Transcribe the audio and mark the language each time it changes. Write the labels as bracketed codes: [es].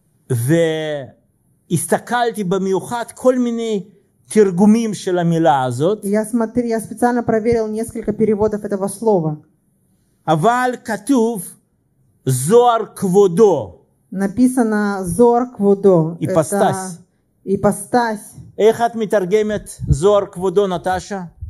[he] והסתכלתי במיוחד כל מיני תרגומים של המילה הזאת. [ru] Я специально проверил несколько переводов этого слова. [he] אבל כתוב זוהר כבודו. [ru] Написано [he] זוהר כבודו. [ru] Ипостась. Ипостась. [he] איך את מתרגמת זוהר כבודו, נטשה?